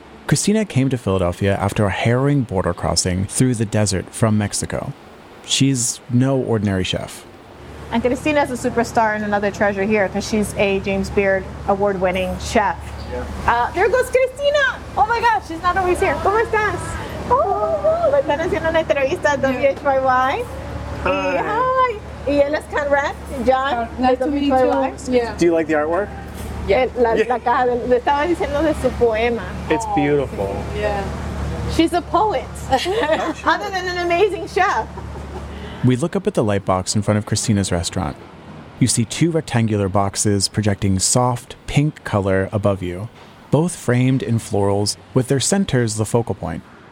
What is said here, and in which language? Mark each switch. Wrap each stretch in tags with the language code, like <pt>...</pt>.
<en>Cristina came to Philadelphia after a harrowing border crossing through the desert from Mexico. She's no ordinary chef. And Cristina is a superstar and another treasure here because she's a James Beard award-winning chef. Yeah. There goes Cristina! Oh my gosh, she's not always here.</en> <es>¿Cómo estás? Oh, están haciendo una entrevista a WHYY.</es> <en>Hi.</en> <es>Hi. Y él es Conrad, John.</es> <en>Nice to meet you. Do you like the artwork? Yeah.</en> <es>La caja, le estaba diciendo de su poema.</es> <en>It's beautiful. Yeah. She's a poet. Other than an amazing chef. We look up at the light box in front of Cristina's restaurant. You see two rectangular boxes projecting soft, pink color above you, both framed in florals with their centers the focal point.</en>